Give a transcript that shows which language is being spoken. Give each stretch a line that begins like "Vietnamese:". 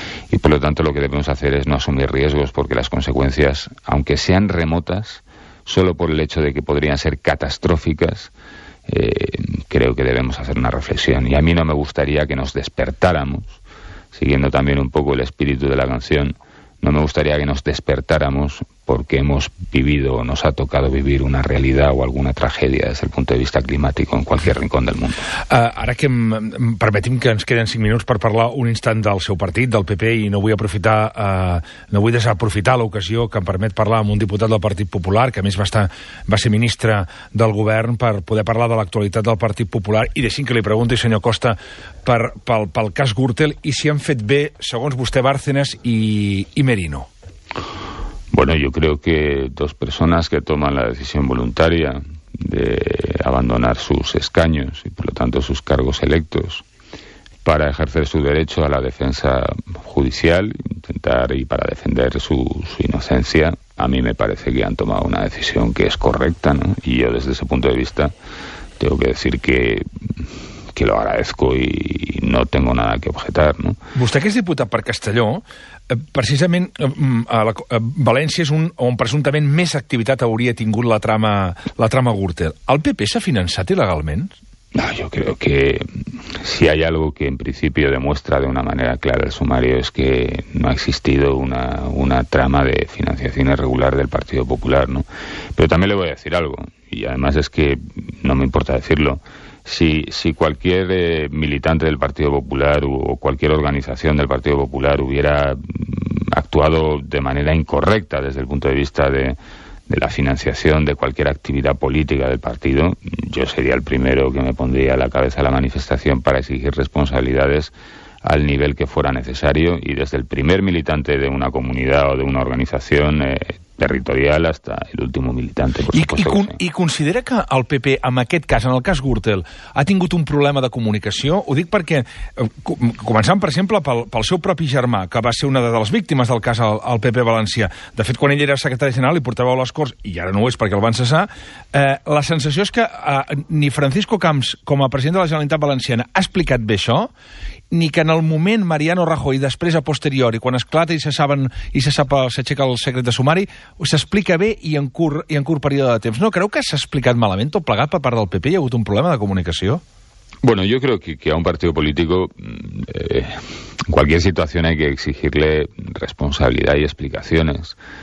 Spanish: Y por lo tanto lo que debemos hacer es no asumir riesgos porque las consecuencias, aunque sean remotas, solo por el hecho de que podrían ser catastróficas, creo que debemos hacer una reflexión. Y a mí no me gustaría que nos despertáramos, siguiendo también un poco el espíritu de la canción, no me gustaría que nos despertáramos porque hemos vivido o nos ha tocado vivir una realidad o alguna tragedia desde el punto de vista climático en cualquier rincón del mundo.
Catalan: Ara que permetim que ens queden 5 minuts per parlar un instant del seu partit, del PP, i no vull aprofitar, no vull desaprofitar l'ocasió que em permet parlar amb un diputat del Partit Popular, que a més va ser ministre del govern, per poder parlar de l'actualitat del Partit Popular, i deixin que li pregunti, senyor Costa, pel cas Gürtel i si han fet bé, segons vostè, Bárcenas i Merino.
Spanish: Bueno, yo creo que dos personas que toman la decisión voluntaria de abandonar sus escaños y, por lo tanto, sus cargos electos para ejercer su derecho a la defensa judicial, intentar y para defender su inocencia, a mí me parece que han tomado una decisión que es correcta, ¿no? Y yo, desde ese punto de vista, tengo que decir que lo agradezco y no tengo nada que objetar, ¿no?
Catalan: Vostè, que és diputat per Castelló, precisament a la, a València és un, on presumptament més activitat hauria tingut la trama Gürtel. El PP s'ha finançat il·legalment?
Spanish: No, yo creo que si hay algo que en principio demuestra de una manera clara el sumario es que no ha existido una trama de financiación irregular del Partido Popular, ¿no? Pero también le voy a decir algo, y además es que no me importa decirlo. Si cualquier militante del Partido Popular o cualquier organización del Partido Popular hubiera actuado de manera incorrecta desde el punto de vista de la financiación de cualquier actividad política del partido, yo sería el primero que me pondría a la cabeza de la manifestación para exigir responsabilidades al nivel que fuera necesario, y desde el primer militante de una comunidad o de una organización territorial hasta el último militante, por supuesto.
Catalan: I considera que el PP, en aquest cas, en el cas Gürtel, ha tingut un problema de comunicació? Ho dic perquè, començant, per exemple, pel seu propi germà, que va ser una de les víctimes del cas al PP valencià. De fet, quan ell era secretari general i portaveu a les Corts, i ara no ho és perquè el van cessar, la sensació és que ni Francisco Camps, com a president de la Generalitat Valenciana, ha explicat bé això, ni que en el moment Mariano Rajoy, després a posteriori, quan esclata i se sap, s'aixeca el secret de sumari, s'explica bé i en curt període de temps. No creu que s'ha explicat malament tot plegat per part del PP? Hi ha hagut un problema de comunicació?
Spanish: Bueno, yo creo que a un partido político en cualquier situación hay que exigirle responsabilidad y explicaciones.